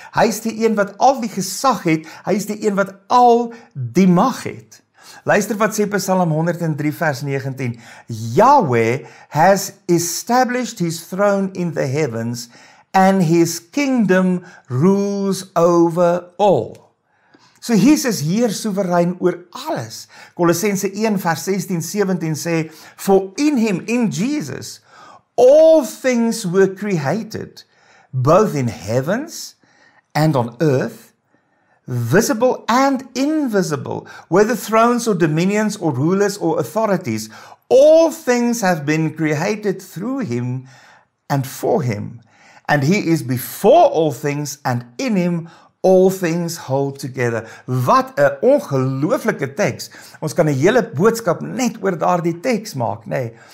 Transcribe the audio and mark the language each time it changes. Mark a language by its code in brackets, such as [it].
[af] Hy is die een wat al die gesag het. Hy is die een wat al die mag het. Luister wat sê Psalm 103 vers 19. [en] Yahweh has established his throne in the heavens and his kingdom rules over all. [af] So Jesus heer soewerein oor alles. Kolossense 1 vers 16, 17 sê, [en] for in him, in Jesus, all things were created, both in heavens and on earth, visible and invisible, whether thrones or dominions or rulers or authorities, all things have been created through him and for him. And he is before all things and in him all things hold together. [af] Wat 'n ongelooflike teks. Ons kan 'n hele boodskap net oor daardie teks maak, nê.